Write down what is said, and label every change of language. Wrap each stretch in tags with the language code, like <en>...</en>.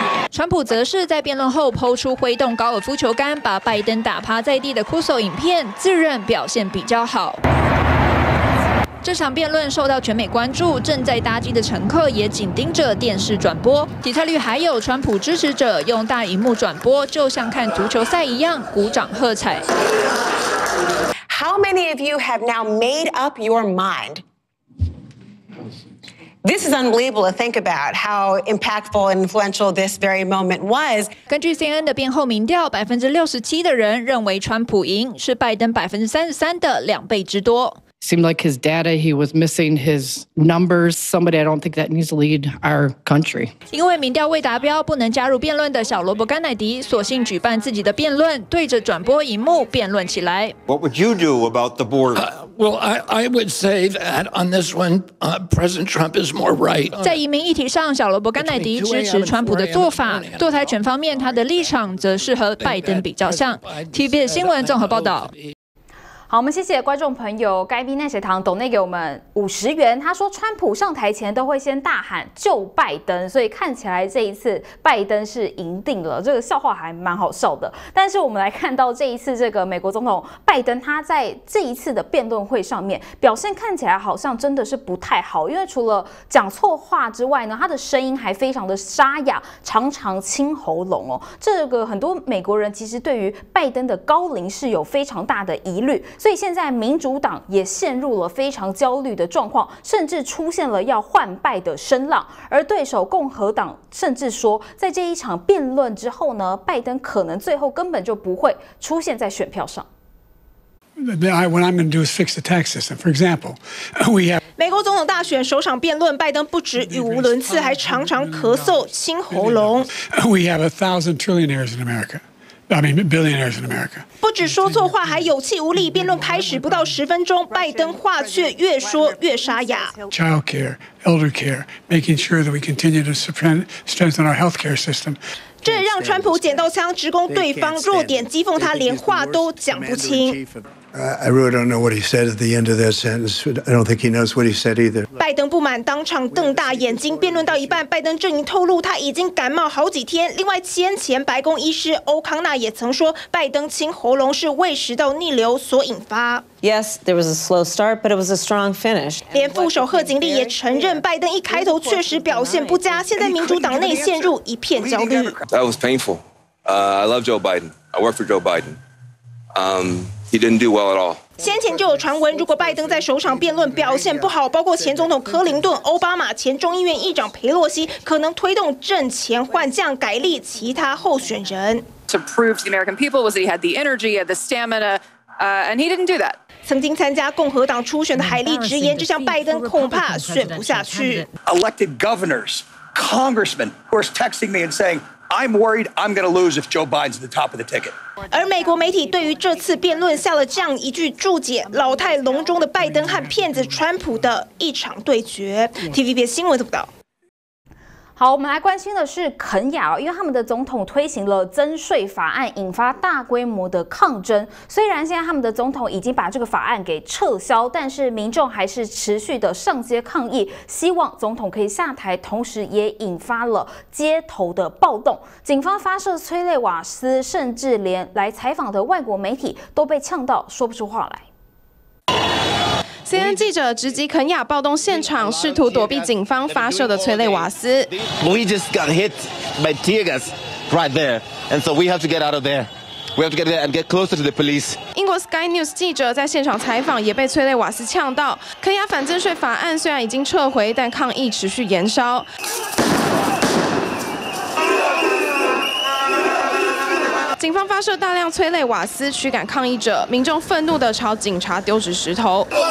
<zh>川普则是在辩论后抛出挥动高尔夫球杆把拜登打趴在地的酷手影片，自认表现比较好。这场辩论受到全美关注，正在搭机的乘客也紧盯着电视转播。底特律还有川普支持者用大荧幕转播，就像看足球赛一样鼓掌喝彩。</zh> <en>How many of you have now made up your mind? This is unbelievable to think about how impactful and influential this very moment was.</en> <zh>根据 CNN 的辩后民调，67%的人认为川普赢，是拜登33%的两倍之多。</zh> <en>Seemed like his data, he was missing his numbers. Somebody I don't think that needs to lead our country.</en> <zh>因为民调未达标，不能加入辩论的小罗伯甘乃迪，索性举办自己的辩论，对着转播荧幕辩论起来。</zh> <en>What would you do about the border? Well, I would say that on this one, President Trump is more right.</en> <zh>在移民议题上，小罗伯甘乃迪支持川普的做法；堕胎权方面，他的立场则是和拜登比较像。 TVBS 新闻综合报道。好，我们谢谢观众朋友该逼奈血糖抖内给我们50元。他说，川普上台前都会先大喊救拜登，所以看起来这一次拜登是赢定了。这个笑话还蛮好笑的。但是我们来看到这一次这个美国总统拜登，他在这一次的辩论会上面表现看起来好像真的是不太好，因为除了讲错话之外呢，他的声音还非常的沙哑，常常清喉咙哦。这个很多美国人其实对于拜登的高龄是有非常大的疑虑。所以现在民主党也陷入了非常焦虑的状况，甚至出现了要换拜的声浪。而对手共和党甚至说，在这一场辩论之后呢，拜登可能最后根本就不会出现在选票上。</zh> <en>What I'm going to do is fix the tax system. For example, we have</en> <zh>美国总统大选首场辩论，拜登不止语无伦次，还常常咳嗽、清喉咙。</zh> <en>We have 1,000 trillionaires in America. billionaires in America.</en> <zh>不止说错话，还有气无力。辩论开始不到10分钟，拜登话却越说越沙哑。</zh> <en>Childcare, elder care, making sure that we continue to strengthen our healthcare system.</en> <zh>这让川普捡到枪，直攻对方弱点，讥讽他连话都讲不清。</zh> <en>I really don't know what he said at the end of that sentence. I don't think he knows what he said either.</en> <zh>拜登不满，当场瞪大眼睛。辩论到一半，拜登阵营透露他已经感冒好几天。另外，先前白宫医师欧康纳也曾说，拜登清喉咙是胃食道逆流所引发。</zh> <en>Yes, there was a slow start, but it was a strong finish.</en> <zh>连副手贺锦丽也承认，拜登一开头确实表现不佳，现在民主党内陷入一片焦虑。</zh> <en>That was painful. I love Joe Biden. I work for Joe Biden. He didn't do well at all.</en> <zh>先前就有传闻，如果拜登在首场辩论表现不好，包括前总统克林顿、奥巴马、前众议院议长佩洛西，可能推动阵前换将，改立其他候选人。</zh> <en>To prove the American people was that he had the energy, had the stamina, and he didn't do that.</en> <zh>曾经参加共和党初选的海利直言，这项拜登恐怕选不下去。</zh> <en>Elected governors, congressmen, who are texting me and saying. I'm worried I'm going to lose if Joe Biden's at the top of the ticket.</en> <zh>而美国媒体对于这次辩论下了这样一句注解：老态龙钟的拜登和骗子川普的一场对决。TVBS 新闻怎么报道？好，我们来关心的是肯亚，因为他们的总统推行了增税法案，引发大规模的抗争。虽然现在他们的总统已经把这个法案给撤销，但是民众还是持续的上街抗议，希望总统可以下台，同时也引发了街头的暴动。警方发射催泪瓦斯，甚至连来采访的外国媒体都被呛到说不出话来。 CNN 记者直击肯亚暴动现场，试图躲避警方发射的催泪瓦斯。</zh> <en>We just got hit by tear gas right there, and so we have to get out of there. We have to get there and get closer to the police.</en> <zh>英国 Sky News 记者在现场采访，也被催泪瓦斯呛到。肯亚反增税法案虽然已经撤回，但抗议持续燃烧。警方发射大量催泪瓦斯驱赶抗议者，民众愤怒地朝警察丢掷石头。</zh>